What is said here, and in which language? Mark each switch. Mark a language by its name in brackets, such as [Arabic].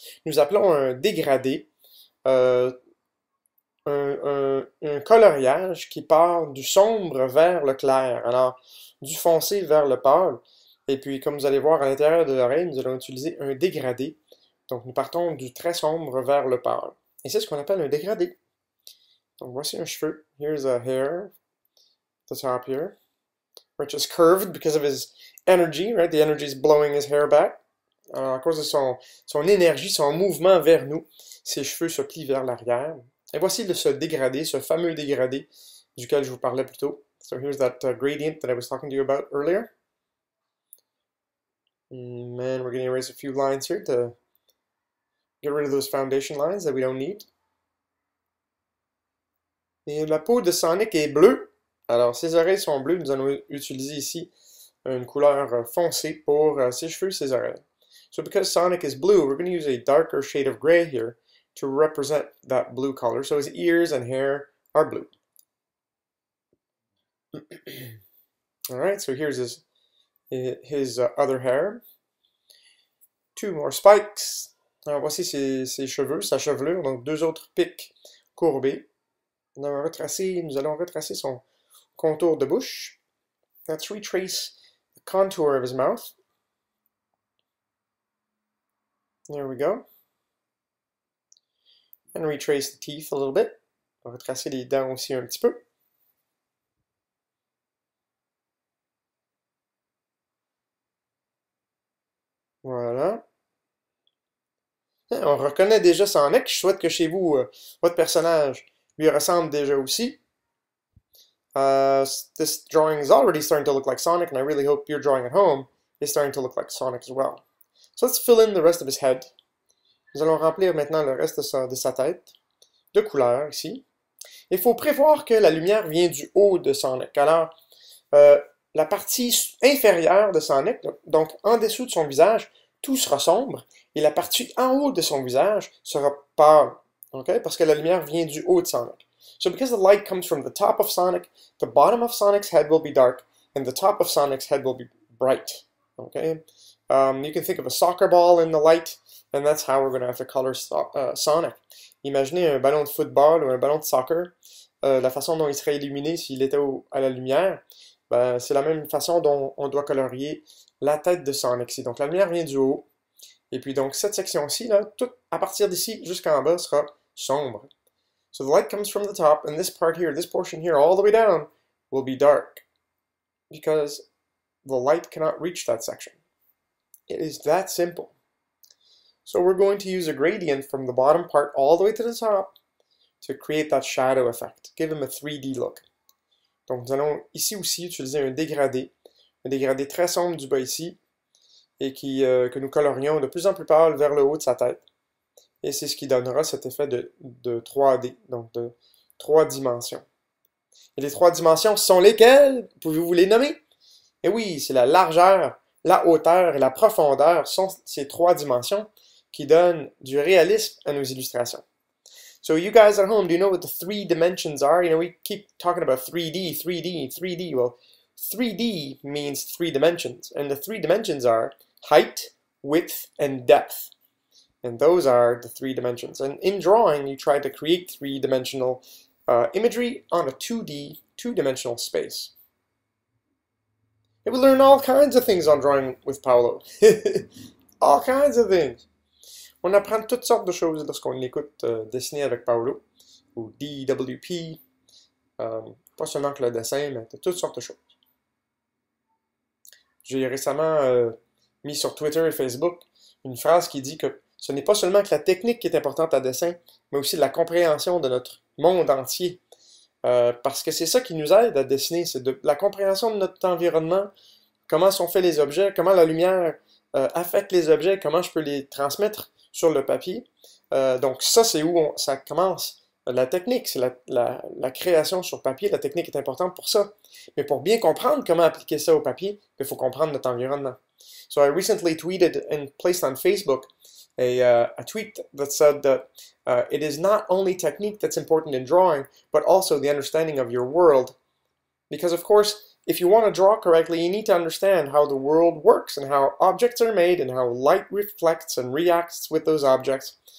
[French] Nous appelons un dégradé un coloriage qui part du sombre vers le clair. Alors, du foncé vers le pâle. Et puis, comme vous allez voir, à l'intérieur de l'oreille, nous allons utiliser un dégradé. Donc, nous partons du très sombre vers le pâle. Et c'est ce qu'on appelle un dégradé. [English] I'm brushing your shirt. Here's a hair, the top here, which is curved because of his energy, right? The energy is blowing his hair back. [French] À cause de son énergie, son mouvement vers nous, ses cheveux se plient vers l'arrière. Et voici le ce dégradé, ce fameux dégradé duquel je vous parlais plus tôt. [English] So here's that gradient that I was talking to you about earlier. Man, we're going to erase a few lines here to get rid of those foundation lines that we don't need. [French] Et la peau de Sonic est bleue. Alors, ses oreilles sont bleues. Nous allons utiliser ici une couleur foncée pour ses cheveux et ses oreilles. [English] So because Sonic is blue, we're going to use a darker shade of gray here to represent that blue color. So his ears and hair are blue. All right, so here's his other hair. Two more spikes. [French] Alors voici ses cheveux, sa chevelure. Donc deux autres pics courbés. Nous allons retracer son contour de bouche. [English] Let's retrace the contour of his mouth. There we go. And retrace the teeth a little bit. [French] On va retracer les dents aussi un petit peu. Voilà. Et on reconnaît déjà Sonic. Je souhaite que chez vous, votre personnage lui ressemble déjà aussi. [English] This drawing is already starting to look like Sonic, and I really hope your drawing at home is starting to look like Sonic as well. So let's fill in the rest of his head. [French] Nous allons remplir maintenant le reste de sa tête de couleur ici. Il faut prévoir que la lumière vient du haut de Sonic. Alors, la partie inférieure de Sonic, donc en dessous de son visage, tout sera sombre, et la partie en haut de son visage sera pâle. Okay? Parce que la lumière vient du haut de Sonic. [English] So because the light comes from the top of Sonic, the bottom of Sonic's head will be dark, and the top of Sonic's head will be bright. Okay? You can think of a soccer ball in the light, and that's how we're going to have to color Sonic. [French] Imaginez un ballon de football ou un ballon de soccer, la façon dont il serait illuminé s'il était à la lumière, ben, c'est la même façon dont on doit colorier la tête de Sonic. Donc la lumière vient du haut. Et puis donc cette section-ci, là, tout à partir d'ici jusqu'en bas sera sombre. [English] So the light comes from the top, and this part here, this portion here, all the way down, will be dark. Because the light cannot reach that section. It is that simple. So we're going to use a gradient from the bottom part all the way to the top to create that shadow effect. Give him a 3D look. [French] Donc nous allons ici aussi utiliser un dégradé très sombre du bas ici, et que nous colorions de plus en plus pâle vers le haut de sa tête. Et c'est ce qui donnera cet effet de 3D, donc de 3 dimensions. Et les 3 dimensions sont lesquelles? Pouvez-vous les nommer? Eh oui, c'est la largeur, la hauteur et la profondeur sont ces 3 dimensions qui donnent du réalisme à nos illustrations. [English] So you guys at home, do you know what the 3 dimensions are? You know, we keep talking about 3D, 3D, 3D, well... 3D means 3 dimensions, and the 3 dimensions are height, width, and depth. And those are the 3 dimensions. And in drawing, you try to create 3-dimensional imagery on a 2D, 2-dimensional space. And we learn all kinds of things on Drawing with Paolo. All kinds of things. [French] On apprend toutes sortes de choses lorsqu'on écoute dessiner avec Paolo, ou DWP, pas seulement que le dessin, mais de toutes sortes de choses. J'ai récemment mis sur Twitter et Facebook une phrase qui dit que ce n'est pas seulement que la technique qui est importante à dessin, mais aussi la compréhension de notre monde entier. Parce que c'est ça qui nous aide à dessiner, c'est la compréhension de notre environnement, comment sont faits les objets, comment la lumière affecte les objets, comment je peux les transmettre sur le papier. Donc ça, c'est où ça commence. La technique, c'est la création sur papier. La technique est importante pour ça. Mais pour bien comprendre comment appliquer ça au papier, il faut comprendre notre environnement. [English] So I recently tweeted and placed on Facebook a tweet that said that it is not only technique that's important in drawing, but also the understanding of your world. Because of course, if you want to draw correctly, you need to understand how the world works and how objects are made and how light reflects and reacts with those objects.